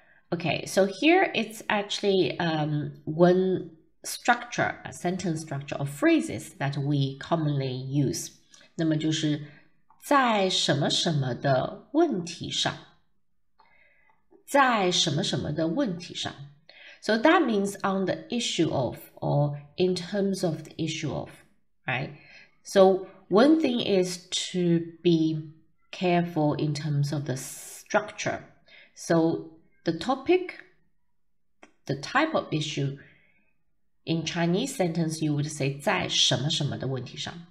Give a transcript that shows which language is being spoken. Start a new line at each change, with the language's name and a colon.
English: Okay, so here it's actually one structure, a sentence structure of phrases that we commonly use.
Chinese: 那么就是在什么什么的问题上，在什么什么的问题上。
English: So that means on the issue of or in terms of the issue of, right? So,One thing is to be careful in terms of the structure. So the topic, the type of issue, in Chinese sentence, you would say
Chinese: 在什么什么的问题上。